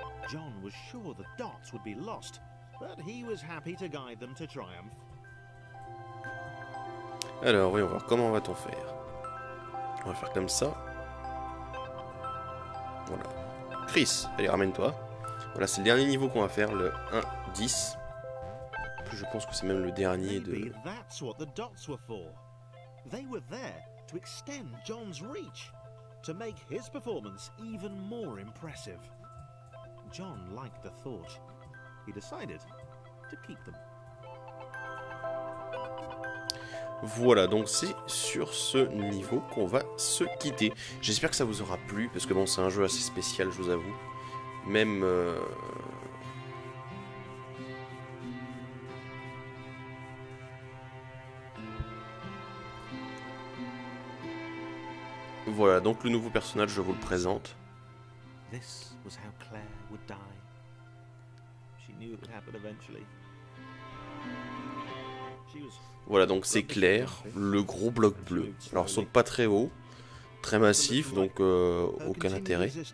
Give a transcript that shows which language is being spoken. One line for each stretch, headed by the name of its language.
English: John was sure the dots would be lost, but he was happy to guide them to triumph.
French: Alors, voyons voir comment va-t-on faire. On va faire comme ça. Voilà. Chris, allez, ramène-toi. Voilà, c'est le dernier niveau qu'on va faire, le 1-10. Je pense que c'est même le dernier de...
English: Maybe that's what the dots were for. They were there to extend John's reach, to make his performance even more impressive. John liked the thought. He decided to keep them.
French: Voilà, donc c'est sur ce niveau qu'on va se quitter. J'espère que ça vous aura plu, parce que bon, c'est un jeu assez spécial, je vous avoue. Même... Voilà, donc le nouveau personnage, je vous le présente.
English: This was how Claire would die. She knew it would happen eventually.
French: Voilà, donc c'est Claire, le gros bloc bleu. Alors, saute pas très haut, très massif, donc aucun intérêt.